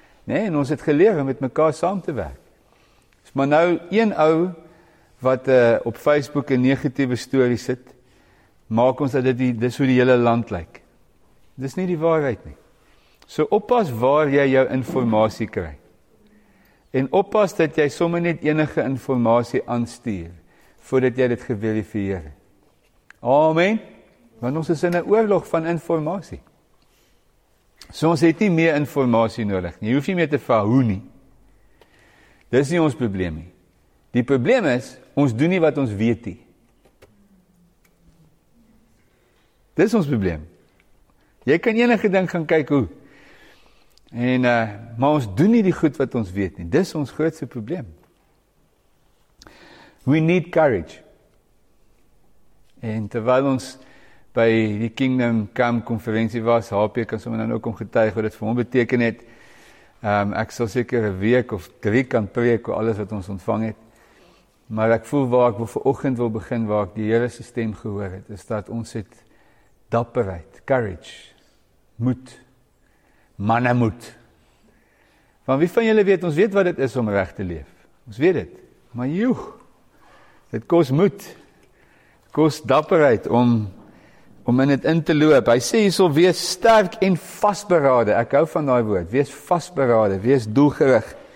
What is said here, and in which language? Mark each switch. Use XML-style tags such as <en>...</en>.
<af>Nee, en ons het geleer om met mekaar saam te werk. Is maar nou een ou, wat op Facebook een negatieve story sit, maak ons dat dit hoe die hele land lyk. Dit is nie die waarheid nie. So oppas waar jy jou informatie kry. En oppas dat jy sommer net enige informatie aanstuur. Voordat jy dit geverifieer. Amen. Want ons is in 'n oorlog van informatie. So ons het nie meer informatie nodig. Jy hoef nie meer te vraag hoe nie. Dis nie ons probleem nie. Die probleem is, ons doen nie wat ons weet nie. Dis ons probleem. Jy kan enige ding gaan kyk hoe. Maar ons doen nie die goed wat ons weet nie. Dis ons grootste probleem.</af> <en>We need courage.</en> <af>En terwyl ons by die Kingdom Come konferensie was, HP kan sommer dan ook om getuig wat dit vir hom beteken het. Ek sal seker 'n week of 3 kan preek oor alles wat ons ontvang het. Maar ek voel waar ek vanoggend wil begin, waar ek die Here se stem gehoor het, is dat ons het dapperheid, courage, moed, mannemoed. Want wie van julle weet, ons weet wat dit is om reg te leef. Ons weet dit. Maar joeg! Dit kos moed, kos dapperheid om in het in te loop. Hy sê, jy sal wees sterk en vastberade. Ek hou van die woord, wees vastberade, wees doelgerig.</af>